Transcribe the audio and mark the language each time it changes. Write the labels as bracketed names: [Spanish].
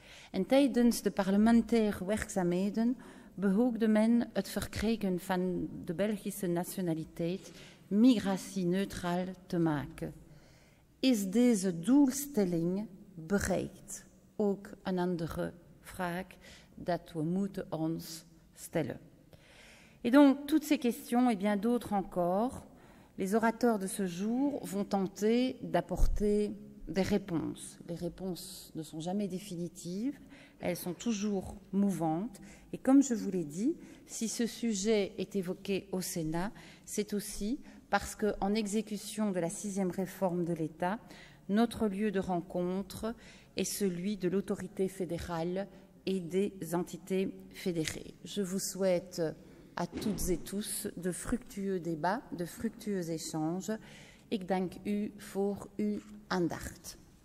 [Dutch] En tijdens de parlementaire werkzaamheden behoogde men het verkrijgen van de Belgische nationaliteit migratie-neutraal te maken. Is deze doelstelling bereikt? Ook een andere vraag dat we moeten ons stellen. [French] Et donc, toutes ces questions, et bien d'autres encore, les orateurs de ce jour vont tenter d'apporter des réponses. Les réponses ne sont jamais définitives, elles sont toujours mouvantes. Et comme je vous l'ai dit, si ce sujet est évoqué au Sénat, c'est aussi parce qu'en exécution de la sixième réforme de l'État, notre lieu de rencontre est celui de l'autorité fédérale et des entités fédérées. Je vous souhaite à toutes et tous de fructueux débats, de fructueux échanges. [Dutch] Ik dank u voor uw aandacht.